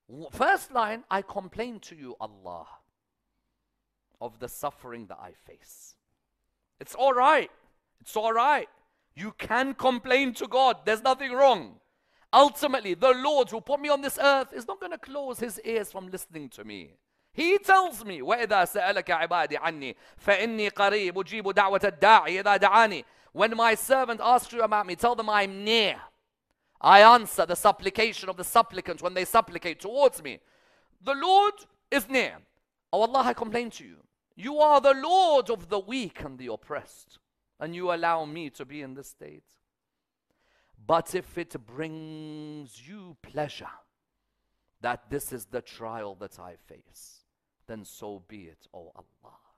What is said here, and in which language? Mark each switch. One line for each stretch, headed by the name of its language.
English: First line, I complain to you, Allah, of the suffering that I face. It's all right. It's all right. You can complain to God. There's nothing wrong. Ultimately, the Lord who put me on this earth is not going to close his ears from listening to me.
Arabic: He tells me, وَإِذَا سَأَلَكَ عِبَادِي عَنِّي فَإِنِّي قَرِيبُ أُجِيبُ دَعْوَةَ الدَّاعِي إِذَا دَعَانِي.
English: When my servant asks you about me, tell them I'm near. I answer the supplication of the supplicant when they supplicate towards me. The Lord is near. Oh Allah, I complain to you. You are the Lord of the weak and the oppressed. And you allow me to be in this state. But if it brings you pleasure that this is the trial that I face, then so be it, O Allah.